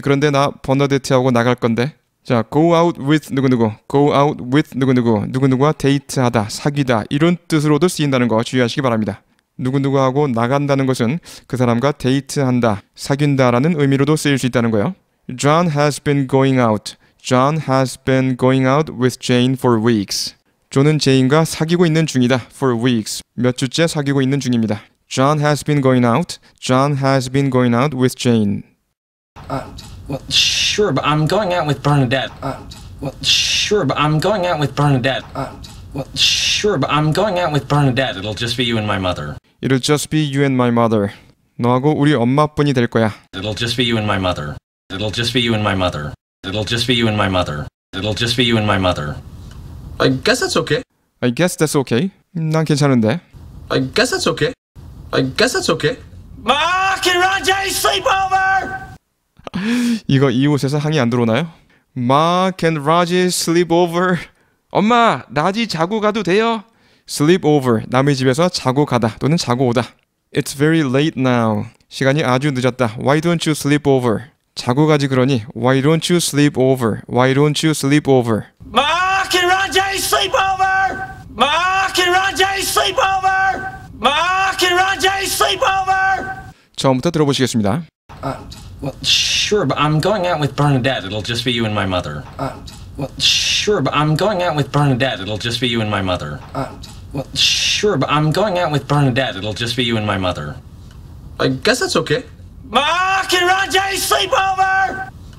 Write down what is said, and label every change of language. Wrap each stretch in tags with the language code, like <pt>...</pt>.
<ko>그런데 나 버나데트하고 나갈 건데. 자,</ko> <en>go out with</en> <ko>누구누구, go out with 누구누구, 누구누구와 데이트하다, 사귀다, 이런 뜻으로도 쓰인다는 거 주의하시기 바랍니다. 누구누구하고 나간다는 것은 그 사람과 데이트한다, 사귄다라는 의미로도 쓰일 수 있다는 거예요.</ko> <en>John has been going out. John has been going out with Jane for weeks.</en> <ko>존은 제인과 사귀고 있는 중이다,</ko> <en>for weeks.</en> <ko>몇 주째 사귀고 있는 중입니다.</ko> <en>John has been going out. John has been going out with Jane. Well, sure, but I'm going out with Bernadette. Well, sure, but I'm going out with Bernadette. Well, sure, but I'm going out with Bernadette. It'll just be you and my mother. It'll just be you and my mother.</en> <ko>너하고 우리 엄마뿐이 될 거야.</ko> <en>It'll just be you and my mother. It'll just be you and my mother. It'll just be you and my mother. It'll just be you and my mother. I guess that's okay. I guess that's okay.</en> <ko>난 괜찮은데.</ko> <en>I guess that's okay. I guess that's okay. Mark and Rajay, sleepover!</en> <ko>이거 이웃에서 항의 안 들어오나요?</ko> <en>Mark and Raji sleep over.</en> <ko>엄마, 라지 자고 가도 돼요?</ko> <en>Sleep over.</en> <ko>남의 집에서 자고 가다 또는 자고 오다.</ko> <en>It's very late now.</en> <ko>시간이 아주 늦었다.</ko> <en>Why don't you sleep over?</en> <ko>자고 가지 그러니.</ko> <en>Why don't you sleep over? Why don't you sleep over? Mark and Raji sleep over. Mark and Raji sleep over. Mark and Raji sleep over.</en> <ko>처음부터 들어보시겠습니다.</ko> <en>Well, sure, but I'm going out with Bernadette. It'll just be you and my mother. Well, sure, but I'm going out with Bernadette. It'll just be you and my mother. Well, sure, but I'm going out with Bernadette. It'll just be you and my mother. I guess that's okay. Mark and Rajay, sleepover!</en>